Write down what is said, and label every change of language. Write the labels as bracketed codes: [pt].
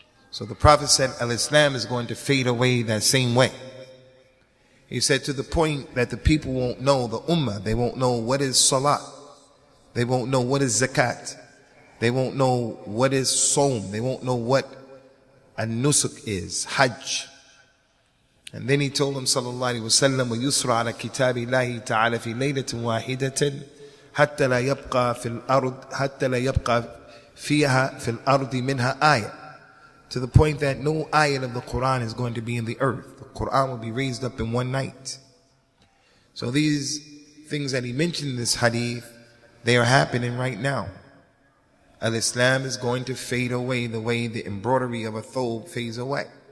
[en] So the Prophet said, Al-Islam is going to fade away that same way. He said, to the point that the people won't know the Ummah. They won't know what is Salat. They won't know what is Zakat. They won't know what is Sawm. They won't know what a Nusuk is, Hajj. And then he told them, [ar] Sallallahu Alaihi Wasallam, وَيُسْرَ عَلَى كِتَابِ اللَّهِ تَعَالَى فِي لَيْلَةٍ وَاحِدَةٍ حَتَّى لَا يَبْقَى فِي الْأَرْضِ حَتَّى لَا يَبْقَى فِيهَا فِي الْأَرْضِ مِنْهَا آيَةٍ. [en] To the point that no ayat of the Quran is going to be in the earth. The Quran will be raised up in one night. So these things that he mentioned in this hadith, they are happening right now. Al-Islam is going to fade away the way the embroidery of a thobe fades away.